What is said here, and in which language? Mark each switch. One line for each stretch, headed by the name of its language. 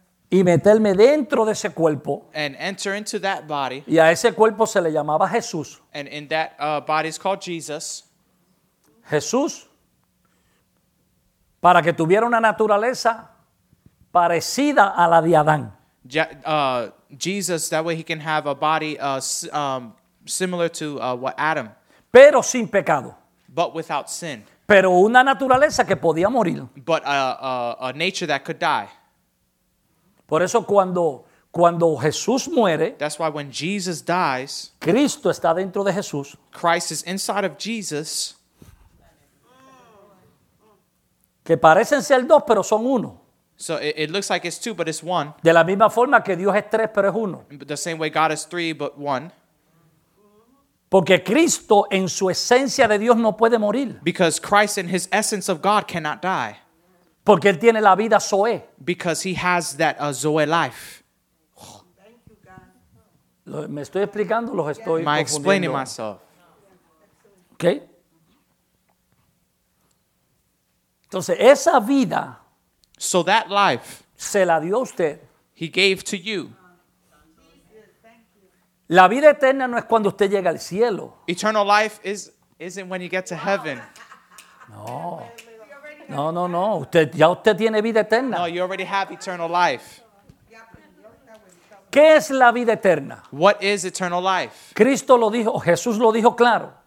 Spanish: Y meterme dentro de ese cuerpo.
English: And enter into that body.
Spanish: Y a ese cuerpo se le llamaba Jesús.
English: And in that body is called Jesus.
Spanish: Jesús. Para que tuviera una naturaleza parecida a la de Adán.
English: Jesus, that way he can have a body similar to what Adam.
Spanish: Pero sin pecado.
English: But without sin.
Spanish: Pero una naturaleza que podía morir.
English: But a nature that could die.
Spanish: Por eso cuando Jesús muere,
English: that's why when Jesus dies,
Spanish: Cristo está dentro de Jesús.
English: Christ is inside of Jesus.
Spanish: Que parecen ser dos, pero son uno.
English: So it looks like it's two, but it's one.
Spanish: De la misma forma que Dios es tres, pero es uno.
English: The same way God is three, but one.
Spanish: Porque Cristo en su esencia de Dios no puede morir.
English: Because Christ in his essence of God cannot die.
Spanish: Porque él tiene la vida Zoe.
English: Because he has that Zoe life. Thank you, God.
Spanish: Me estoy explicando, los estoy confundiendo.
English: Am I explaining myself? Okay.
Spanish: Entonces, esa vida.
English: So that life.
Spanish: Se la dio usted.
English: He gave to you.
Spanish: La vida eterna no es cuando usted llega al cielo.
English: Eternal life isn't when you get to heaven.
Spanish: No. No, no, no. Usted tiene vida eterna.
English: No, you already have eternal life.
Spanish: ¿Qué es la vida eterna?
English: What is eternal life?
Spanish: Cristo lo dijo, Jesús lo dijo claro.